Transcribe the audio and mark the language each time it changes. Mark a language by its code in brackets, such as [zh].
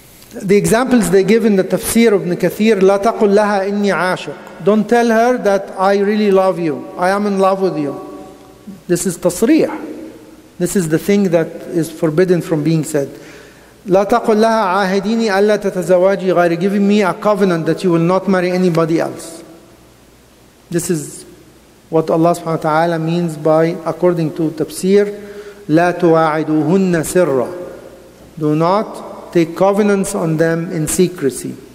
[en] The examples they give in the tafsir of Ibn Kathir, [ar] لا تقل لها إني عاشق. [en] Don't tell her that I really love you, I am in love with you. This is tasriah. This is the thing that is forbidden from being said. [ar] لا تقل لها عاهديني ألا تتزواجي غير. [en] Giving me a covenant that you will not marry anybody else. This is what Allah subhanahu wa ta'ala means by, according to tafsir, [ar] لا تواعدوهن سرا. [en] Do not take covenants on them in secrecy.